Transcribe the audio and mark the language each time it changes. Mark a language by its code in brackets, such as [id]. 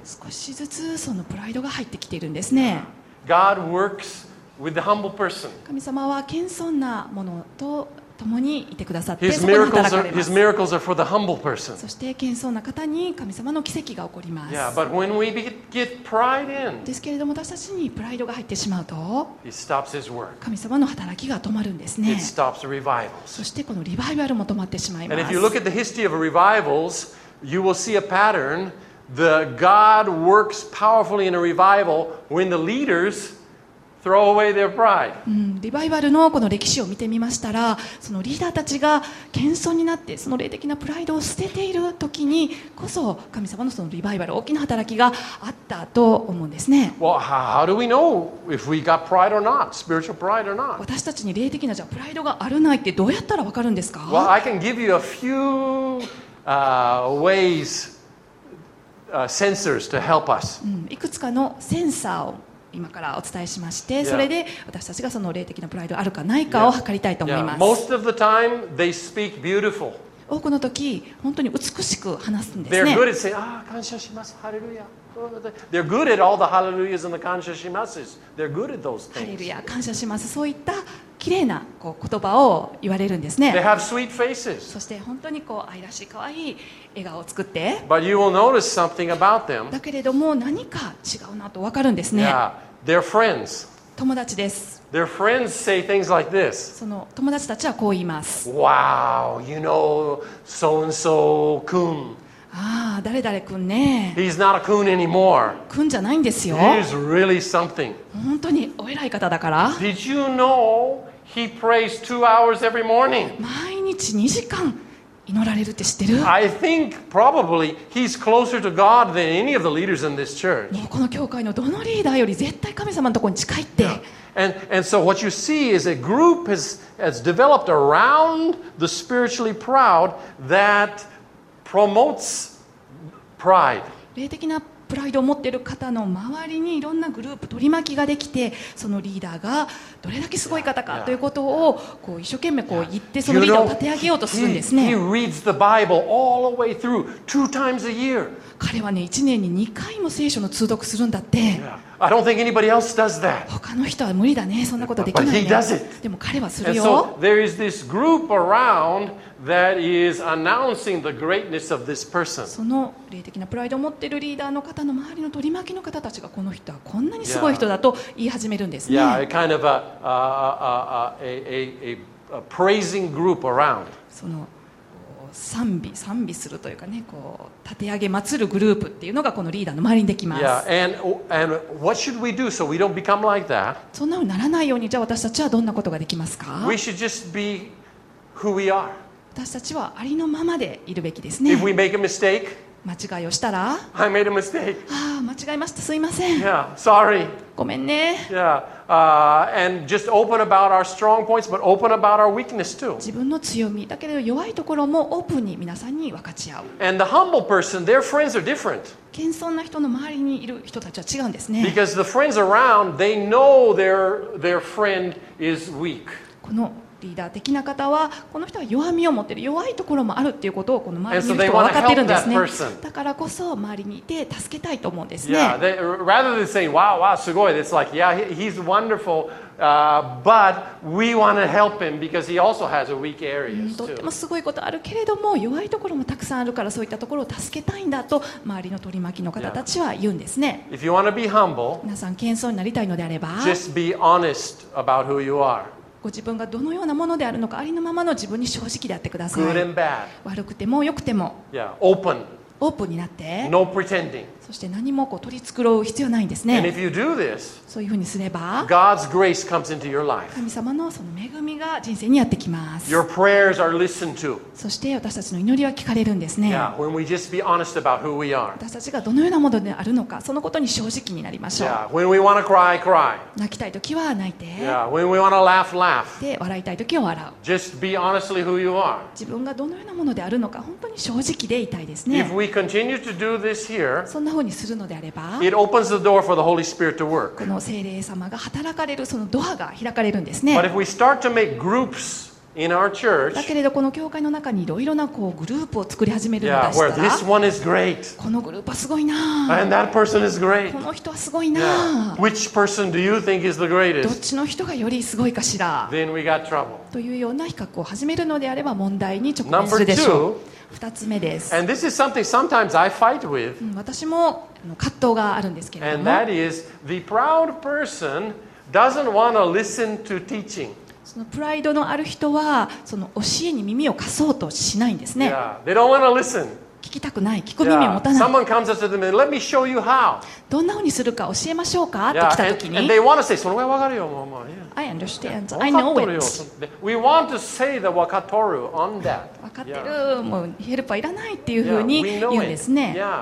[ja] 少しずつそのプライドが入ってきているんですね。 [en] God works with the humble person. [ja] 神様は謙遜なものと共にいてくださって、そこに働かれます。 [en] His miracles are for the humble person. [ja] そして謙遜な方に神様の奇跡が起こります。 [en] Yeah, but when we get pride in, [ja] ですけれども私たちにプライドが入ってしまうと、 [en] it stops his work. [ja] 神様の働きが止まるんですね。 [en] It stops revivals. [ja] そしてこのリバイバルも止まってしまいます。 [en] And if you look at the history of revivals, you will see a pattern. The God works powerfully in a revival when the leaders throw away their pride. [ja] リバイバルのこの歴史を見てみましたら、そのリーダーたちが謙遜になってその霊的なプライドを捨てている時にこそ神様のそのリバイバル、大きな働きがあったと思うんですね。 [en] How do we know if we got pride or not, spiritual pride or not? [ja] 私たちに霊的なじゃあプライドがあるないってどうやったら分かるんですか？ [en] Well, I can give you a few ways, sensors to help us. [ja] いくつかのセンサーを今からお伝えしまして、それで私たちがその霊的なプライドあるかないかを測りたいと思います。 [en] Most of the time, they speak beautiful. [ja] 多くの時本当に美しく話すんですね。 [en] They're good at saying, ah, [ja] 感謝します、ハレルヤ。 [en] They're good at all the hallelujahs and the [ja] 感謝します。 [en] They're good at those things. [ja] ハレルヤ、感謝します。そういった綺麗なこう言葉を言われるんですね。 [en] They have sweet faces. [ja] そして本当にこう愛らしい可愛い笑顔を作って。 [en] But you will notice something about them. [ja] だけれども何か違うなと分かるんですね。 [en] Yeah, they're friends. [ja] 友達です。 [en] Their friends say things like this. [ja] その友達たちはこう言います。 [en] Wow, you know so and so kun. [ja] ああ、誰々くんね。 [en] He's not a kun anymore. [ja] くんじゃないんですよ。 [en] He's really something. [ja] 本当にお偉い方だから。 [en] Did you know he prays 2 hours every morning? [ja] 毎日2時間。祈られるって知ってる？ [en] I think probably he's closer to God than any of the leaders in this church. [ja] もうこの教会のどのリーダーより絶対神様のところに近いって。 Yeah. [en] And so what you see is a group has developed around the spiritually proud that promotes pride. [ja] 霊的なプライドを持っている方の周りにいろんなグループ取り巻きができて、そのリーダーがどれだけすごい方かということをこう一生懸命こう言って、そのリーダーを立て上げようとするんですね。 [en] He reads the Bible all the way through 2 times a year. [ja] 彼はね、1年に2回も聖書の通読するんだって。 [en] I don't think anybody else does that. [ja] 他の人は無理だね、そんなことできないね。 [en] But he does it. [ja] でも彼はするよ。 [en] And so there is this group aroundThat is announcing the greatness of this person. [ja] その霊的なプライドを持っているリーダーの方の周りの取り巻きの方たちが、この人はこんなにすごい人だと言い始めるんですね。 [en] Yeah, yeah, kind of a praising group around. [ja] その賛美するというかね、こう立て上げ祭るグループっていうのがこのリーダーの周りにできます。 [en] Yeah, and what should we do so we don't become like that? [ja] そんなふうにならないように、じゃあ私たちはどんなことができますか？ [en] We should just be who we are. [ja] 私たちはありのままでいるべきですね。 [en] If we make a mistake, [ja] 間違いをしたら、 [en] I made a mistake. [ja] ああ、間違いました。すいません。 [en] Yeah, sorry. [ja] ごめんね。 Yeah. [en] And just open about our strong points, but open about our weakness too. [ja] 自分の強み、だけど弱いところもオープンに皆さんに分かち合う。 [en] And the humble person, their friends are different. [ja] 謙遜な人の周りにいる人たちは違うんですね。 Because the friends around, they know their friend is weak. このリーダー的な方は、この人は弱みを持っている、弱いところもあるということをこの周りにいる人は分かっているんですね。だからこそ周りにいて助けたいと思うんですね。 [en] Yeah, rather than saying, wow, wow, [ja] すごい, [en] it's like, yeah, he's wonderful, but we want to help him because he also has a weak area. [ja] とってもすごいことあるけれども、弱いところもたくさんあるから、そういったところを助けたいんだと周りの取り巻きの方たちは言うんですね。 [en] If you want to be humble, [ja] 皆さん謙遜になりたいのであれば、 [en] just be honest about who you are. [ja] ご自分がどのようなものであるのか、ありのままの自分に正直であってください。 [en] Good and bad. [ja] 悪くても良くても。 [en] Yeah, open. [ja] オープンになって。 [en] No pretending. [ja] そして何もこう取り繕う必要ないんですね。 [en] And if you do this, [ja] そういうふうにすれば、 [en] God's grace comes into your life. [ja] 神様のその恵みが人生にやってきます。 [en] Your prayers are listened to. [ja] そして私たちの祈りは聞かれるんですね。 [en] Yeah, when we just be honest about who we are. [ja] 私たちがどのようなものであるのか、そのことに正直になりましょう。 [en] Yeah, when we wanna cry, cry. [ja] 泣きたいときは泣いて。 [en] Yeah, when we wanna laugh, laugh. [ja] で、笑いたいときは笑う。 [en] Just be honestly who you are. [ja] 自分がどのようなものであるのか、本当に正直でいたいですね。 [en] If we continue to do this here, [ja] そんな風にするのであれば、 [en] It opens the door for the Holy Spirit to work. [ja] この聖霊様が働かれるそのドアが開かれるんですね。 [en] But if we start to make groups in our church, [ja] だけれどこの教会の中にいろいろなこうグループを作り始めるんだしたら、 [en] yeah, where this one is great. [ja] このグループはすごいな。 [en] And that person is great. [ja] この人はすごいな。 Yeah. [en] Which person do you think is the greatest? [ja] どっちの人がよりすごいかしら。 [en] Then we got trouble. [ja] というような比較を始めるのであれば問題に直面するでしょう。 2つ目です。 [en] And this is something sometimes I fight with. [ja] 私も葛藤があるんですけれども、 [en] And that is the proud person doesn't want to listen to teaching. [ja] そのプライドのある人はその教えに耳を貸そうとしないんですね。 [en] Yeah, they don't want to listen. [ja] 聞きたくない、聞く耳を持たない。 [en] Yeah, someone comes up to them and let me show you how. [ja] どんなふうにするか教えましょうか、 yeah, って来た時に、 [en] and they want to say, [ja] その上わかるよ、まあまあ、 [en] yeah. I understand, I know it. We want to say the wakatoru on that. [ja] 分かってる、もうヘルパーいらないっていうふうに言うんですね。